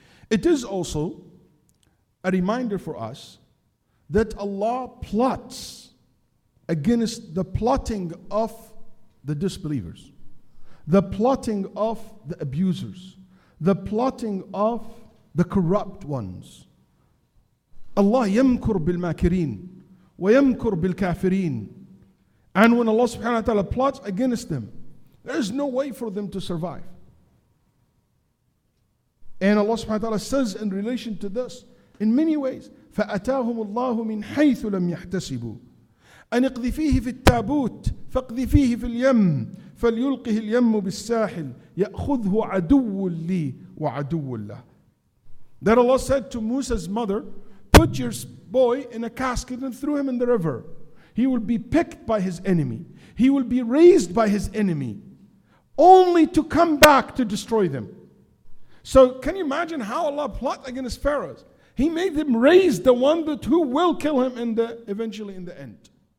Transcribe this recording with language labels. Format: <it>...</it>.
<en>It is also a reminder for us that Allah plots against the plotting of the disbelievers, the plotting of the abusers, the plotting of the corrupt ones.</en> <ar>Allah yamkur bil makirin wa yamkur bil kafirin.</ar> <en>And when Allah subhanahu wa ta'ala plots against them, there is no way for them to survive.</en> <ar>And Allah subhanahu wa ta'ala says in relation to this, in many ways, فَأَتَاهُمُ اللَّهُ مِنْ حَيْثُ لَمْ يَحْتَسِبُوا أَنْ اِقْذِفِيهِ فِي التَّابُوتِ فَاقْذِفِيهِ فِي الْيَمِّ فَلْيُلْقِهِ الْيَمُّ بِالسَّاحِلِ يَأْخُذْهُ عَدُوٌّ لِي وَعَدُوٌّ لَهُ.</ar> <en>That Allah said to Musa's mother, put your boy in a casket and threw him in the river. He will be picked by his enemy. He will be raised by his enemy, only to come back to destroy them. So can you imagine how Allah plot against Pharaohs? He made them raise the one that who will kill him in the eventually in the end.</en>